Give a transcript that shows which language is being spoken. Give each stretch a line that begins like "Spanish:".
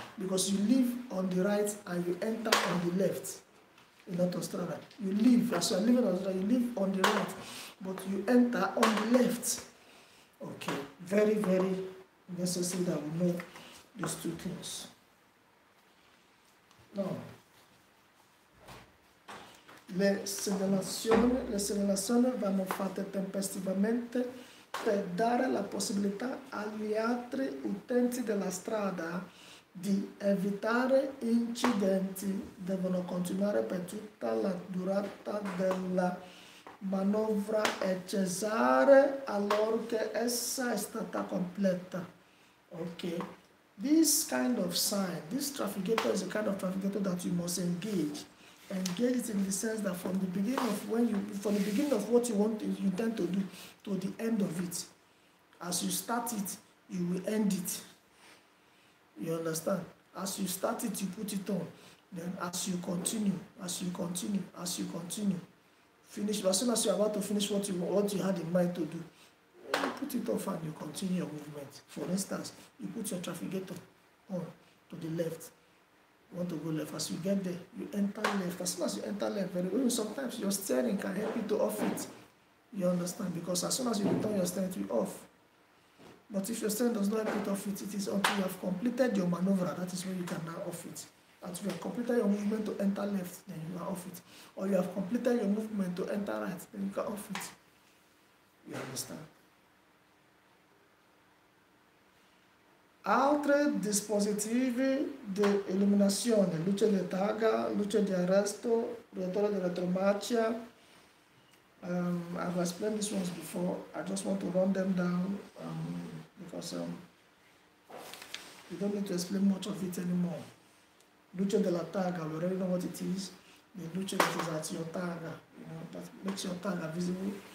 English: Because you leave on the right and you enter on the left in autostrada. You leave, as you are leaving autostrada, you leave on the right, but you enter on the left. Okay, very, very necessary that we know these two things.
Italian: Now, le segnalazioni vanno fatte tempestivamente per dare la possibilità agli altri utenti della strada di evitare incidenti. Devono continuare per tutta la durata della manovra e cessare allorché essa è stata completa.
English: Ok. This kind of sign, this traffic gator is a kind of traffic gator that you must engage. Engage it in the sense that from the beginning of what you want, you intend to do, to the end of it. As you start it, you will end it. You understand? As you start it, you put it on. Then as you continue, finish. As soon as you are about to finish what you had in mind to do, you put it off and you continue your movement. For instance, you put your traffic gator on to the left. You want to go left. As you get there, you enter left. As soon as you enter left, very well, sometimes your steering can help you to off it. You understand? Because as soon as you turn your steering, it will be off. But if your steering does not help you to off it, it is until you have completed your maneuver. That is when you can now off it. And if you have completed your movement to enter left, then you are off it. Or you have completed your movement to enter right, then you can off it. You understand?
Italian: Altri dispositivi di illuminazione, luce di targa, luce di arresto, rotore di retromarcia.
English: I've explained these ones before. I just want to run them down because you don't need to explain much of it anymore. Luce della targa, we already know what it is. The luce that is at your targa, that makes your targa visible.